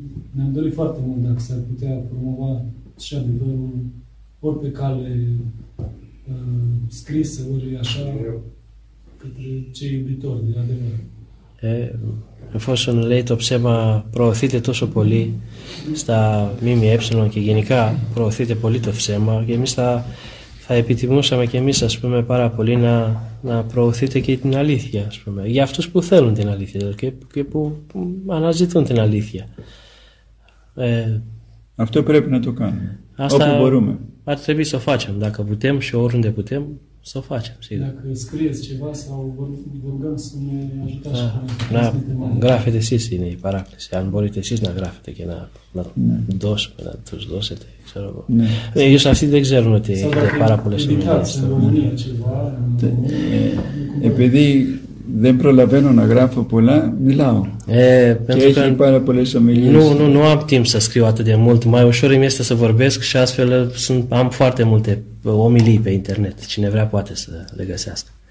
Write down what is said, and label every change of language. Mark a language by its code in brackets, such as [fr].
[ro] Ne-am dorit foarte mult dacă s-ar putea promova și adevărul ori pe cale scrisă, ori așa, către cei iubitori de adevăr. [el] Εφόσον λέει το ψέμα προωθείται τόσο πολύ στα ΜΜΕ και γενικά προωθείται πολύ το ψέμα και εμείς θα επιτιμούσαμε και εμείς, ας πούμε, πάρα πολύ να προωθείτε και την αλήθεια, ας πούμε. Για αυτούς που θέλουν την αλήθεια και που αναζητούν την αλήθεια. Αυτό πρέπει να το κάνουμε, όπου μπορούμε. [ro] Ar trebui să o facem, dacă putem și oriunde putem, să o facem, sigur. Dacă scrieți ceva sau vă rugăm să ne ajutați. Da, grafete sisi, ne-i paraclis. Am bolit sis, na grafete, că na dos, na tuși dosete. Eu să știi de exer, nu te paraclis. Sau dacă editați în România ceva. [el] Επειδή δεν προλαβαίνω να γράφω πολλά, μιλάω. Και έχει πάρα πολλές ομιλίες. [ro] Nu am timp să scriu atât de mult. Mai ușor îmi este să vorbesc și astfel am foarte multe omilii pe internet. Cine vrea poate să le găsească.